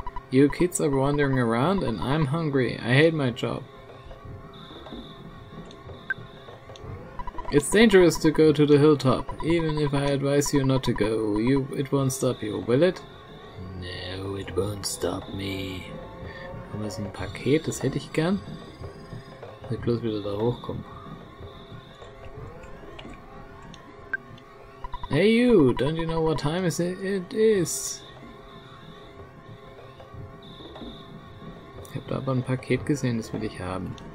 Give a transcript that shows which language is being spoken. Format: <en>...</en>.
<en>You kids are wandering around and I'm hungry. I hate my job. It's dangerous to go to the hilltop. Even if I advise you not to go, it won't stop you, will it? No, it won't stop me.</en> <de>Haben wir so ein Paket, das hätte ich gern. Ich will bloß wieder da hochkommen.</de> <en>Hey you, don't you know what time it is?</en> <de>habe da aber ein Paket gesehen, das will ich haben.</de>